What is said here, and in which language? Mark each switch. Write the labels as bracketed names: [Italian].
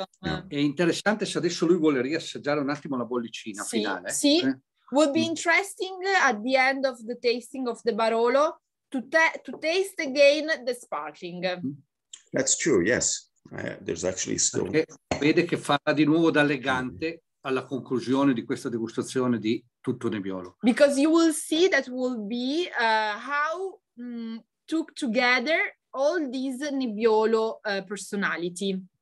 [Italian] Yeah. È interessante se adesso lui vuole riassaggiare un attimo la bollicina finale. [English] Sì, would be interesting at the end of the tasting of the Barolo to taste again the sparkling. That's true. Yes, there's actually still. [Italian] Perché vede che farà di nuovo da legante alla conclusione di questa degustazione di tutto Nebbiolo. [English] Because you will see that will be how took together all these Nebbiolo personality.